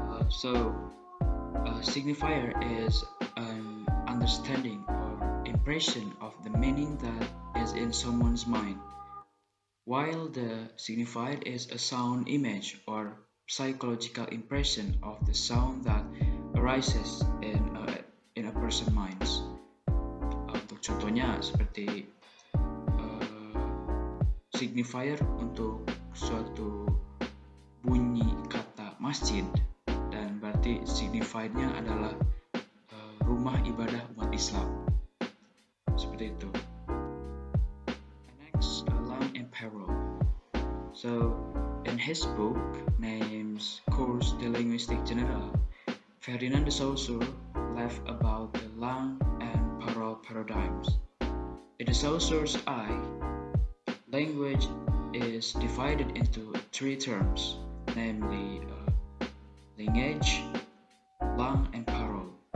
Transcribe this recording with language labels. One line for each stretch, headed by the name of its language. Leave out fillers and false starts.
English: So, a signifier is an understanding or impression of the meaning that is in someone's mind, while the signified is a sound image or psychological impression of the sound that arises in a person's mind.
Indonesian: Untuk contohnya seperti signifier untuk suatu bunyi kata masjid, dan berarti signifiednya adalah rumah ibadah umat Islam, seperti itu.
English: Next, long and parole. So, in his book named Cours de Linguistique Générale, Ferdinand Saussure left about the long and parole paradigms. In the Saussure's eye, language is divided into three terms, namely language, langue, and parole.